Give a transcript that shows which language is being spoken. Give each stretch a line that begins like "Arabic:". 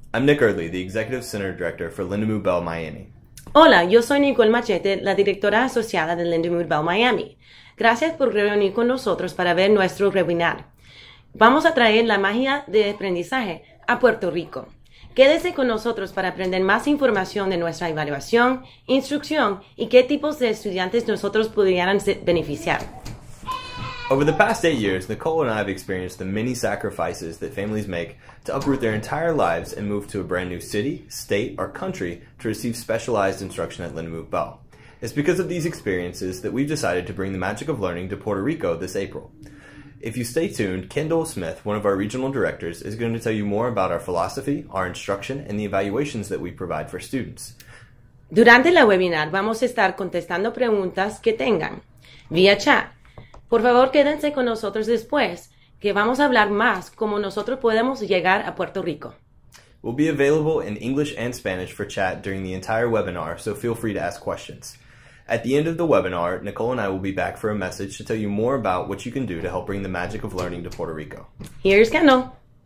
English: I'm Nick Early, the Executive Center Director for Lindamood-Bell Miami.
Spanish: Hola, yo soy Nicole Machete, la directora asociada de Lindamood-Bell Miami. Gracias por reunir con nosotros para ver nuestro webinar. Vamos a traer la magia de aprendizaje a Puerto Rico. Quédese con nosotros para aprender más información de nuestra evaluación, instrucción y qué tipos de estudiantes nosotros podrían beneficiar.
English: Over the past 8 years, Nicole and I have experienced the many sacrifices that families make to uproot their entire lives and move to a brand new city, state, or country to receive specialized instruction at Lindamood-Bell. It's because of these experiences that we've decided to bring the magic of learning to Puerto Rico this April. If you stay tuned, Kendall Smith, one of our regional directors, is going to tell you more about our philosophy, our instruction, and the evaluations that we provide for students.
Spanish: Durante la webinar, vamos a estar contestando preguntas que tengan vía chat. Por favor, quédense con nosotros después, que vamos a hablar más cómo nosotros podemos llegar a Puerto Rico.
English: We'll be available in English and Spanish for chat during the entire webinar, so feel free to ask questions. At the end of the webinar, Nicole and I will be back for a message to tell you more about what you can do to help bring the magic of learning to Puerto Rico. Here's Kendall.